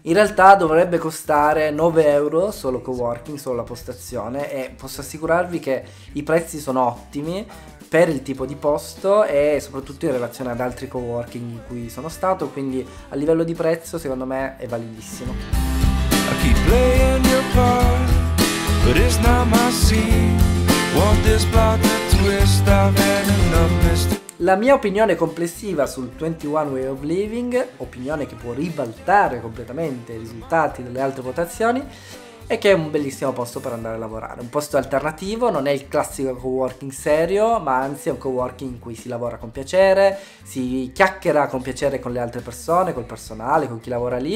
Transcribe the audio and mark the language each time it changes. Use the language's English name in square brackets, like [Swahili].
[Italian] In realtà dovrebbe costare 9 euro solo coworking, solo la postazione, e posso assicurarvi che i prezzi sono ottimi per il tipo di posto e soprattutto in relazione ad altri coworking in cui sono stato, quindi a livello di prezzo secondo me è validissimo. [English] I keep playing your part, but it's not my scene. Want this plot to twist, I've had enough mystery. [Italian] La mia opinione complessiva sul 21 Way of Living, opinione che può ribaltare completamente i risultati delle altre votazioni, è che è un bellissimo posto per andare a lavorare. Un posto alternativo, non è il classico coworking serio, ma anzi è un coworking in cui si lavora con piacere, si chiacchiera con piacere con le altre persone, col personale, con chi lavora lì.